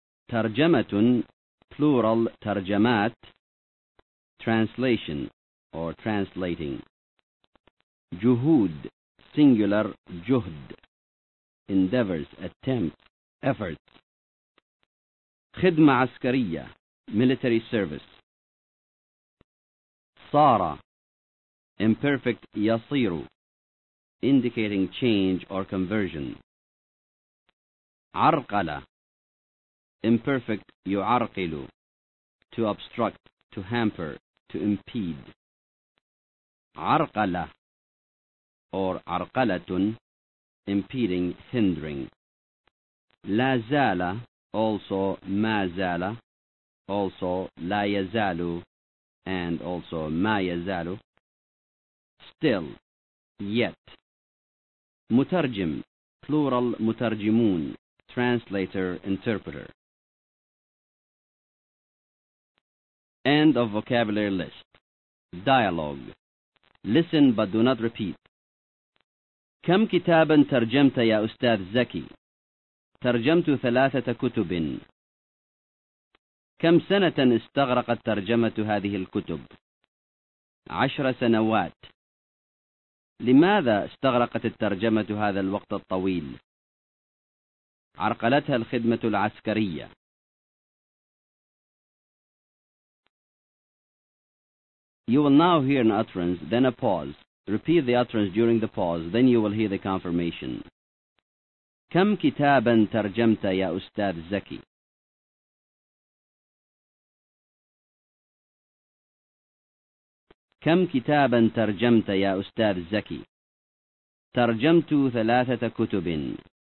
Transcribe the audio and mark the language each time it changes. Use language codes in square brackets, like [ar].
[en] ترجمة, plural ترجمات, translation or translating. جهود, singular جهد, endeavors, attempts, efforts. [ar] خدمة عسكرية, [en] military service. صار, imperfect يصير, indicating change or conversion. عرقلة, imperfect يعرقل, to obstruct, to hamper, to impede. عرقلة or عرقلة, impeding, hindering. [ar] لا زال, also ما زال, also لا يزال, and also ما يزال. [en] Still, yet. مترجم, plural مترجمون, translator, interpreter. End of vocabulary list. Dialogue. Listen but do not repeat. [ar] كم كتابا ترجمت يا أستاذ زكي؟ ترجمت 3 كتب. كم سنة استغرقت ترجمة هذه الكتب؟ 10 سنوات. لماذا استغرقت الترجمة هذا الوقت الطويل؟ عرقلتها الخدمة العسكرية. [en] You will now hear an utterance, then a pause. Repeat the utterance during the pause, then you will hear the confirmation. [ar] كم كتابا ترجمت يا أستاذ زكي؟ كم كتابا ترجمت يا أستاذ زكي؟ ترجمت 3 كتب.